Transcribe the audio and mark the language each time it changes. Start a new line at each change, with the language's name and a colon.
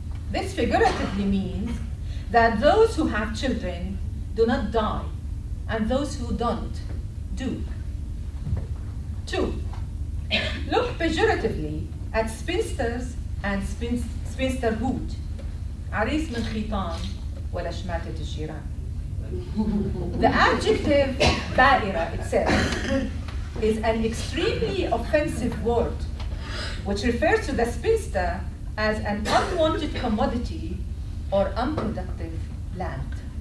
English: This figuratively means that those who have children do not die, and those who don't do. Two, look pejoratively at spinsters and spinsterhood.
Arabic: عريس من خيطان ولا شماتة الجيران.
English: The adjective بائرة itself is an extremely offensive word which refers to the spinster as an unwanted commodity or unproductive land.